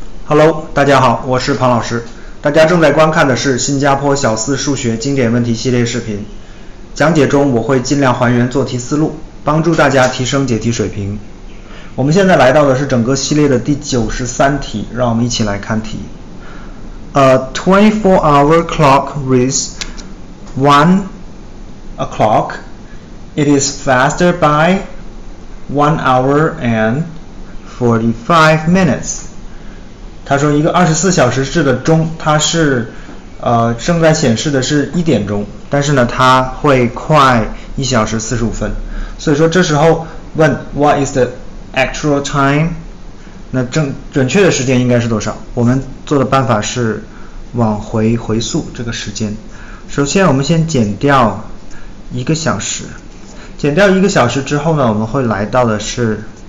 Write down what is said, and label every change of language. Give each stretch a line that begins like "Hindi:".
Chinese: Hello， 大家好，我是庞老师。大家正在观看的是新加坡小四数学经典问题系列视频。讲解中我会尽量还原做题思路，帮助大家提升解题水平。我们现在来到的是整个系列的第93题，让我们一起来看题。
English: A 24-hour clock reads 1 o'clock. It is faster by 1 hour and 45 minutes.
Chinese: 他说一个24小时制的钟，它是正在显示的是一点钟，但是呢它会快一小时45分。所以说这时候问
English: What is the actual time?
Chinese: 那准确的时间应该是多少？我们做的办法是往回回溯这个时间。首先我们先减掉一个小时，减掉一个小时之后呢，我们会来到的是